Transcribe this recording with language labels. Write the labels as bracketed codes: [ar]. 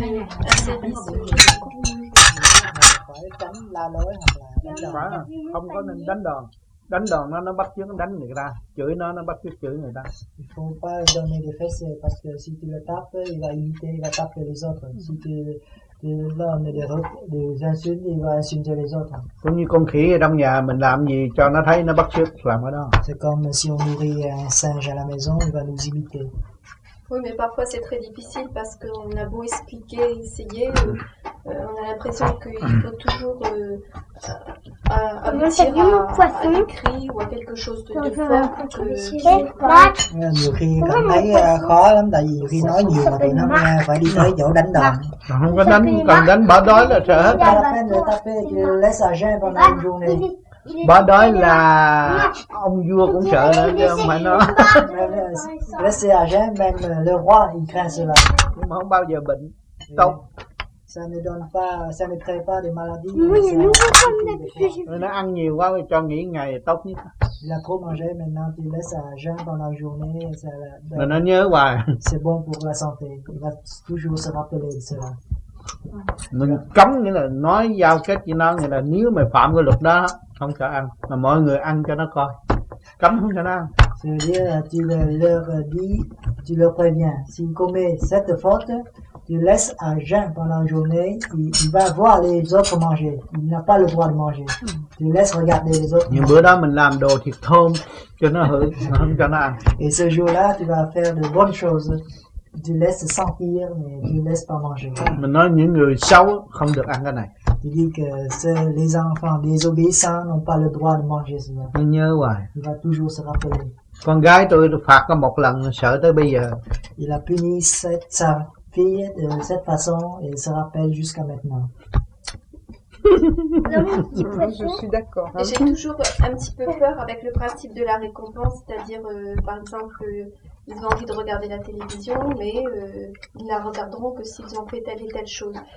[fr] Donc, il faut éviter toujours de crier ou de donner un service. [vi] Không có nên đánh đòn. Đánh đòn nó bắt chước đánh người ta. Chửi nó bắt chước chửi người ta. [fr] Il faut pas donner des fesses parce que si tu le tapes, il va imiter, il va taper les autres. Si tu donnes des insultes, il va insulter les autres. [vi] Cũng như con khỉ ở trong nhà mình làm gì cho nó thấy nó bắt chước làm cái đó. [fr] C'est comme si on nourrit un singe à la maison, il va nous imiter. Oui, mais parfois c'est très difficile parce qu'on a beau expliquer, essayer, on a l'impression qu'il faut toujours aboutir à un cri ou à quelque chose de fort. [vi] Nhiều khi cảm thấy khó lắm, tại vì khi nói nhiều mà tụi nó nghe phải đi tới chỗ đánh đòn. Không có đánh, còn đánh bỏ đói là sợ hết. Bỏ đói là ta phê, [fr] tu laisses à jeun pendant une journée. [vi] Bà đói là ông vua cũng sợ nữa chứ không phải nó. [fr] Laissez à jeun, même le roi il craint cela. [vi] Nhưng mà không bao giờ bệnh. Tông. [fr] Ça ne donne pas, ça ne crée pas des maladies. [vi] Nó ăn nhiều quá cho nghỉ ngày tốt nhất. [fr] Il a trop mangé, maintenant il laisse à jeun pendant la journée. [vi] Mà nó nhớ hoài. [fr] C'est bon pour la santé. Il va toujours se rappeler de cela. [vi] Mình cấm nghĩa là nói giao kết với nó, nghĩa là nếu mà phạm cái luật đó không cho ăn, mà mọi người ăn cho nó coi, cấm không cho nó ăn. [fr] C'est à dire là tu leur dis, tu leur préviens, s'ils commettent cette faute, tu laisses à jeun pendant la journée, il va voir les autres manger, il n'a pas le droit de manger, tu laisses regarder les autres. [vi] Nhưng bữa đó mình làm đồ thịt thơm cho nó hử, không cho nó ăn. [fr] Et ce jour-là, tu vas faire de bonnes choses. Tu laisses sentir mais tu laisses pas manger. [vi] Mình nói những người xấu không được ăn cái này. [fr] Tu dis que les enfants désobéissants n'ont pas le droit de manger cela. [vi] Mình nhớ hoài. [fr] Il va toujours se rappeler. [vi] Con gái tôi được phạt có một lần sợ tới bây giờ. [fr] Il a puni sa fille de cette façon et se rappelle jusqu'à maintenant. Je suis d'accord. Hein. J'ai toujours un petit peu peur avec le principe de la récompense, c'est-à-dire par exemple. Ils ont envie de regarder la télévision, mais ils la regarderont que s'ils ont fait telle et telle chose.